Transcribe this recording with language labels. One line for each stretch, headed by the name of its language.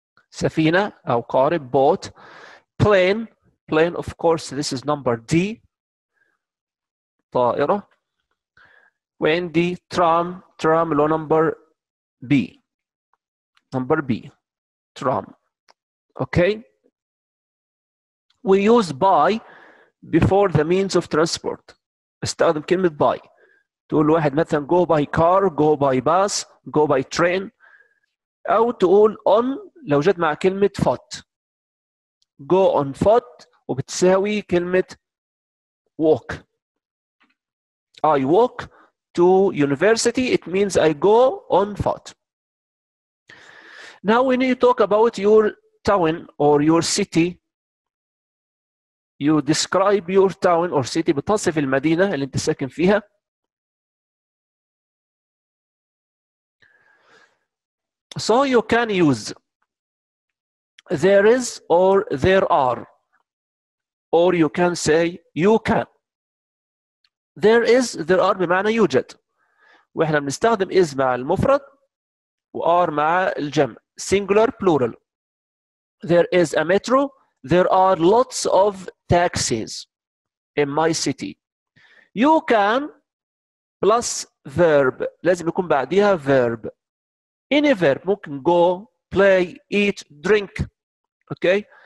Arabic: سفينة أو قارب,
English: boat. Plane, of course, this is number D. طائرة. ويندي tram لو number B tram. Okay. We use by before the means of transport.
Arabic: استخدم كلمة
English: by.
Arabic: تقول واحد مثلا
English: go by car, go by bus, go by train.
Arabic: أو تقول on لو جت مع كلمة foot.
English: Go on foot
Arabic: وبتساوي كلمة
English: walk. I walk to university, it means I go on foot. Now when you talk about your town or your city, you describe your town or city,
Arabic: بتصف المدينة اللي انت ساكن فيها.
English: So you can use there is or there are, or you can say you can. There is, there are
Arabic: بمعنى يوجد. وإحنا بنستخدم is مع المفرد و are مع الجمع.
English: Singular, plural. There is a metro. There are lots of taxis in my city. You can plus verb.
Arabic: لازم يكون بعديها
English: verb. Any verb. ممكن go, play, eat, drink. Okay?